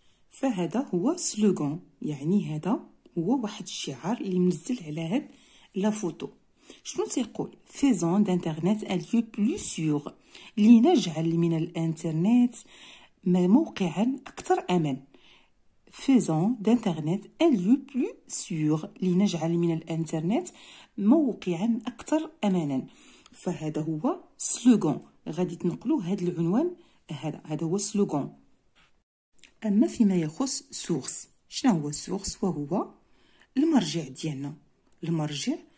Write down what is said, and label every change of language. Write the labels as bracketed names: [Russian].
[Arabic] فهذا هو سلوغان، يعني هذا هو واحد الشعار اللي منزل على هاد لا فوتو. شنو تيقول؟ [French] فيزون دانترنيت ان ليو بلو سيغ، [Arabic] لنجعل من الانترنيت موقعا اكثر امان. [French] Faisons d'Internet un lieu plus sûr. [Arabic] لنجعل من الانترنت موقعا اكثر امانا. فهذا هو سلوغان. غادي تنقلوا هذا العنوان، هذا هذا هو سلوغان. اما فيما يخص سورس، شنو هو سورس؟ وهو المرجع ديالنا، المرجع.